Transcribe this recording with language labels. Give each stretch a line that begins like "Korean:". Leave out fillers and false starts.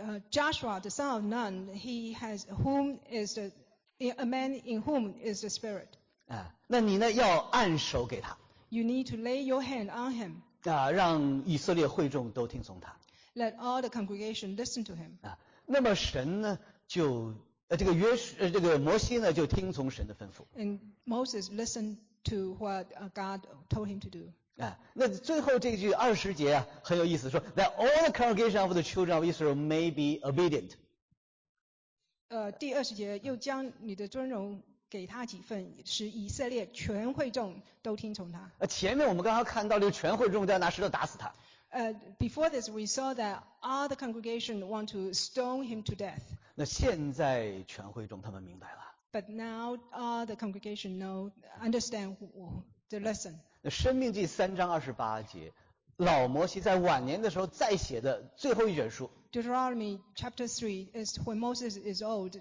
English: Joshua, the son of Nun, he has whom is the a man in whom is the spirit.
Chinese: 啊，那你呢？要按手给他。
English: You need to lay your hand on him.
Chinese: 啊，让以色列会众都听从他。
English: Let all the congregation listen to him.
Chinese: 啊，那么神呢？就这个约这个摩西呢，就听从神的吩咐。
English: And Moses listened to what God told him to do.
Chinese: 啊，那最后这句二十节啊，很有意思，说
English: that all the congregation of the children of Israel may be obedient.
Chinese: 第二十节又将你的尊荣给他几份，使以色列全会众都听从他。前面我们刚刚看到，这个全会众都要拿石头打死他。
English: Before this, we saw that all the congregation want to stone him to death.
Chinese: 那现在全会众他们明白了。
English: But now all the congregation know understand the lesson.
Chinese: 那《申命记》三章二十八节，老摩西在晚年的时候再写的最后一卷书。
English: Deuteronomy chapter 3 is when Moses is old.